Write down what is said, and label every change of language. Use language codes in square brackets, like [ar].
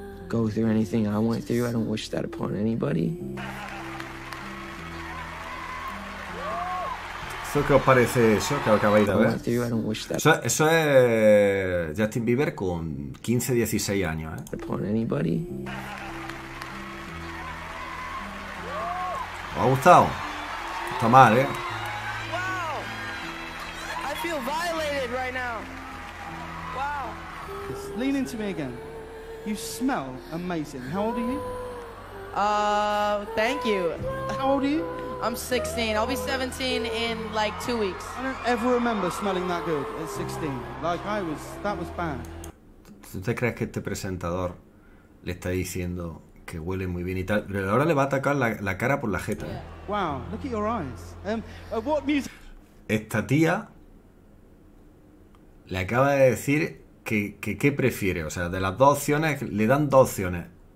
[en] Go through anything I went through, I don't wish that upon anybody. [es] ¿Eso qué os parece eso que acabáis de ver? Eso es Justin Bieber con 15, 16 años, ¿eh? ¿Os ha gustado? Está mal, ¿eh? [en] Wow. I feel violated right now. Wow. Just lean into me again. You smell amazing. How old are you? Thank you. How old are you? I'm 16. I'll be 17 in like 2 weeks. I don't ever remember smelling that good at 16. Like I was, that was bad. [es] ¿Tú te crees que este presentador le está diciendo que huele muy bien y tal? Pero ahora le va a atacar la cara por la jeta. Yeah. [en] Wow, look at your eyes. What music? [es] Esta tía le acaba de decir que qué prefiere. O sea, de las dos opciones, le dan dos opciones.